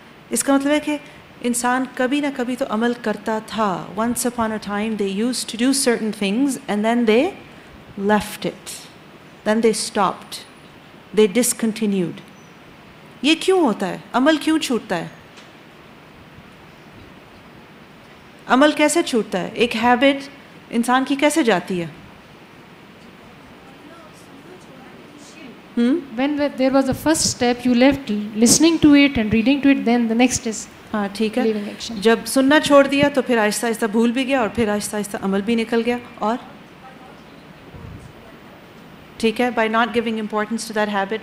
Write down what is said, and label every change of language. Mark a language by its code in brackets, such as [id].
[ur] اس کا مطلب ہے کہ انسان کبھی نہ کبھی تو عمل کرتا تھا. [en] Once upon a time they use to do certain things and then they left it, then they stopped, they discontinued. [ur] یہ کیوں ہوتا ہے؟ عمل کیوں چھوٹتا ہے؟ عمل کیسے چھوٹتا ہے؟ ایک ہیبٹ انسان کی کیسے جاتی ہے؟ [en] When there was a first step, you left listening to it and reading to it, then the next is leaving action. [ur] جب سننا چھوڑ دیا تو پھر آہستہ آہستہ بھول بھی گیا, اور پھر آہستہ آہستہ عمل بھی نکل گیا. اور ٹھیک ہے, [en] by not giving importance to that habit.